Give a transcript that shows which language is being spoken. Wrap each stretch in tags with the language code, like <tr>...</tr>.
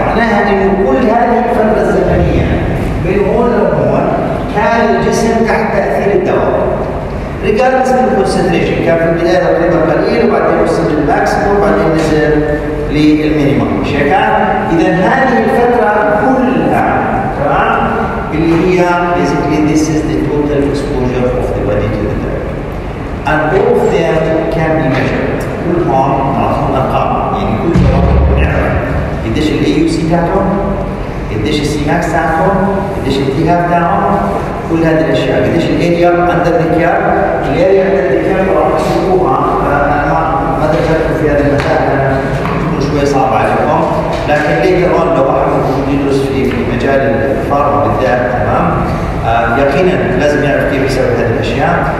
<ar>معناها انه كل هذه الفتره الزمنيه من هون لهون كان الجسم تحت تاثير الدواء</ar> <en>Regards من الكونسنتريشن.</en> <ar>كان في البدايه تقريبا قليل وبعدين وصل للماكسيموم وبعدين نزل للمينيموم. شكرا. اذا هذه الفتره كلها تمام اللي هي</ar> <en>Basically this is the total exposure of the body to the drug. And both of them can be measured.</en> <ar>كل هون معطوا الأرقام، يعني كل دواء بنعرف قديش الـ AUC تاعهم، قديش الـ Cmax تاعهم، قديش الـ Thf تاعهم، كل هذه الأشياء، قديش الـ</ar> <en>Area under the care،</en> <ar>الـ Area under the care راح تشوفوها، أنا ما دخلتكم في هذه المسائل تكون شوية صعبة عليكم، لكن</ar> <en>later on</en> <ar>لو واحد يدرس في مجال الفارما بالذات تمام، يقينا لازم يعرف كيف يسوي هذه الأشياء.</ar>